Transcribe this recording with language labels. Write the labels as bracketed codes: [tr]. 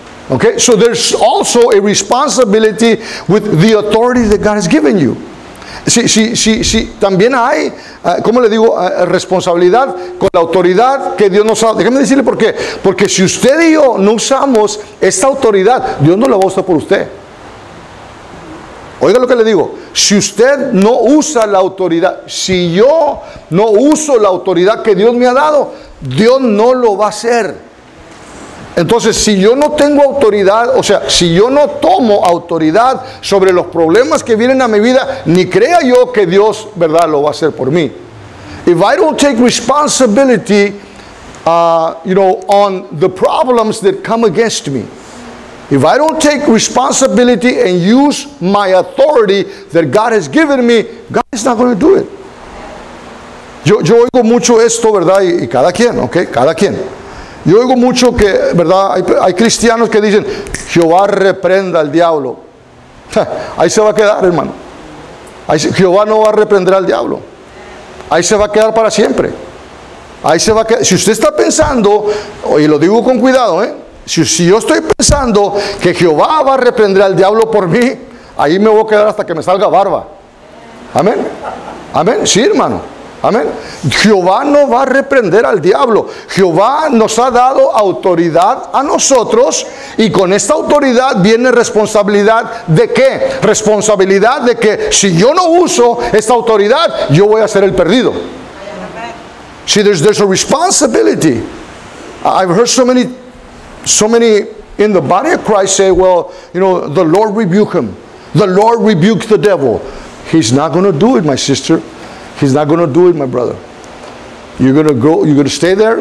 [en] Okay, so there's also a responsibility with the authority that God has given you. [es] Sí. También hay, ¿cómo le digo? Responsabilidad con la autoridad que Dios nos ha dado. Déjeme decirle por qué. Porque si usted y yo no usamos esta autoridad, Dios no la va a usar por usted. Oiga lo que le digo. Si usted no usa la autoridad, si yo no uso la autoridad que Dios me ha dado, Dios no lo va a hacer. Entonces, si yo no tengo autoridad, o sea, si yo no tomo autoridad sobre los problemas que vienen a mi vida, ni crea yo que Dios, ¿verdad?, lo va a hacer por mí. If I don't take responsibility, on the problems that come against me, if I don't take responsibility and use my authority that God has given me, God is not going to do it. Yo oigo mucho esto, ¿verdad?, y cada quien, ¿ok?, cada quien. Yo oigo mucho que, ¿verdad?, hay cristianos que dicen, Jehová reprenda al diablo. Ahí se va a quedar, hermano. Jehová no va a reprender al diablo. Ahí se va a quedar para siempre. Ahí se va a quedar. Si usted está pensando, y lo digo con cuidado, si yo estoy pensando que Jehová va a reprender al diablo por mí, ahí me voy a quedar hasta que me salga barba. Amén. Amén. Sí, hermano. Amén. Jehová no va a reprender al diablo. Jehová nos ha dado autoridad a nosotros y con esta autoridad viene responsabilidad ¿de qué? Responsabilidad de que si yo no uso esta autoridad, yo voy a ser el perdido. [en] See, there's a responsibility. I've heard so many in the body of Christ say, well, you know, the Lord rebuke him. The Lord rebuke the devil. He's not going to do it, my sister. He's not going to do it, my brother. You're going to go, you're going to stay there.